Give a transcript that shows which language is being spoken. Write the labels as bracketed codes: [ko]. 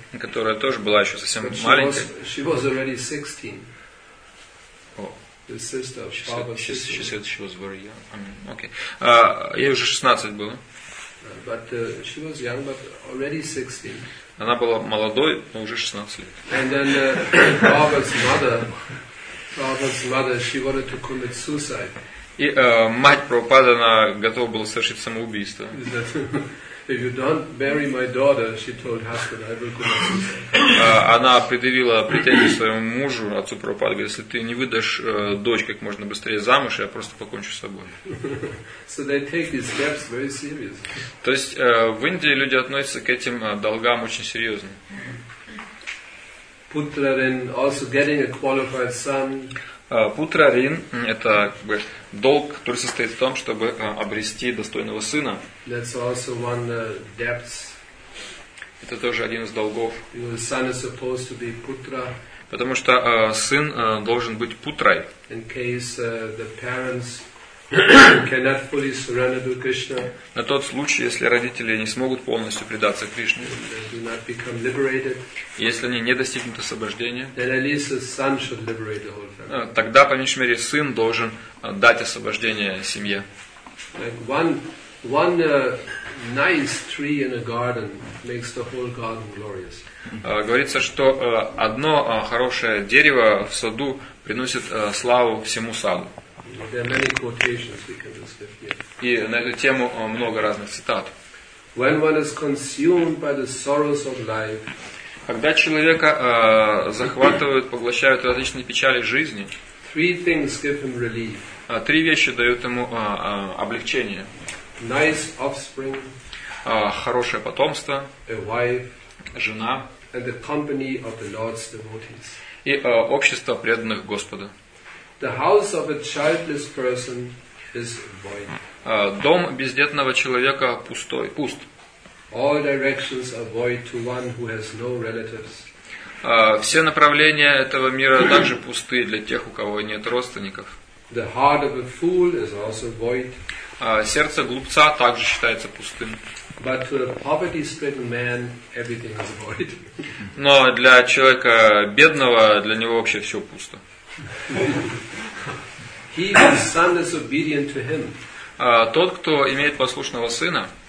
[ru] которая тоже была еще совсем маленькой, [en] she was already 16. His sister, she said she was very young. I mean, okay. [ru] Ей уже 16 было. [en] But she was young, but already 16. [ru] Она была молодой, но уже 16 лет. [en] And then Prabhupada's mother, she wanted to commit suicide. [ru] И мать Прабхупады, она готова была совершить самоубийство. [en] If you don't bury my daughter, she told husband, I will commit suicide. [ru] Она предъявила претензии своему мужу, отцу Прабхупады, говорит, если ты не выдашь дочь как можно быстрее замуж, я просто покончу с собой. [en] So they take these steps very seriously. [ru] То есть в Индии люди относятся к этим долгам очень серьезно. [en] Putra-рин also getting a qualified son. [ru] Путра-рин – это как бы долг, который состоит в том, чтобы обрести достойного сына. [en] That's also one debts. [ru] Это тоже один из долгов. [en] Your son is supposed to be putra. [ru] Потому что сын должен быть путрой. [en] In case the parents cannot fully surrender to Krishna. [ru] На тот случай, если родители не смогут полностью предаться Кришне. [en] Do not become liberated. [ru] Если они не достигнут освобождения. [en] Then at least the son should liberate the whole family. [ru] Тогда, по меньшей мере, сын должен дать освобождение семье. [en] Like one nice tree in a garden makes the whole garden glorious. [ru] Говорится, что одно хорошее дерево в саду приносит славу всему саду. [en] There are many quotations we can discuss here. [ru] И на эту тему много разных цитат. [en] When one is consumed by the sorrows of life, [ru] когда человека захватывают, поглощают различные печали жизни, [en] three things give him relief. [ru] Три вещи дают ему облегчение. [en] Nice offspring, [ru] хорошее потомство, [en] a wife, [ru] жена, [en] and the company of the Lord's devotees. [ru] И общество преданных Господа. [en] The house of a childless person is void. [ru] Дом бездетного человека пустой, пуст. [en] All directions are void to one who has no relatives. [ru] Все направления этого мира также пусты для тех, у кого нет родственников. [en] The heart of a fool is also void. [ru] Сердце глупца также считается пустым. [en] But to a poverty-stricken man, everything is void. [ru] Но для человека бедного, для него вообще все пусто. [en] He whose son is obedient to him. [ru] Тот, кто имеет послушного сына.